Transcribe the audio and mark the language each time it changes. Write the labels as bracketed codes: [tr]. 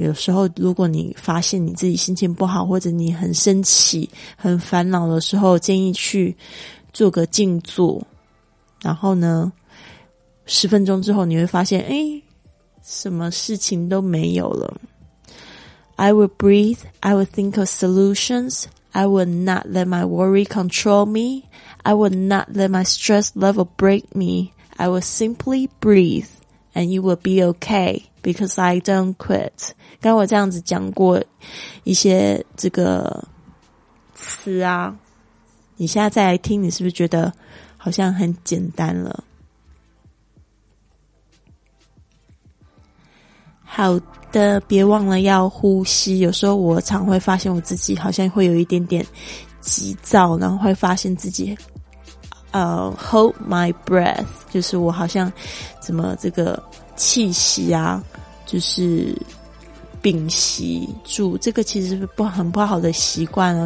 [zh] 有时候如果你发现你自己心情不好，或者你很生气很烦恼的时候，建议去做个静坐，然后呢10分钟之后你会发现，诶，什么事情都没有了。 [en] I will breathe. I will think of solutions. I will not let my worry control me. I will not let my stress level break me. I will simply breathe and you will be okay because I don't quit. [zh] 刚我这样子讲过一些这个词啊，你现在再来听，你是不是觉得好像很简单了？好的，别忘了要呼吸。有时候我常会发现我自己好像会有一点点急躁，然后会发现自己 [en] hold my breath， [zh] 就是我好像怎么这个气息啊，就是屏息住，这个其实是很不好的习惯哦。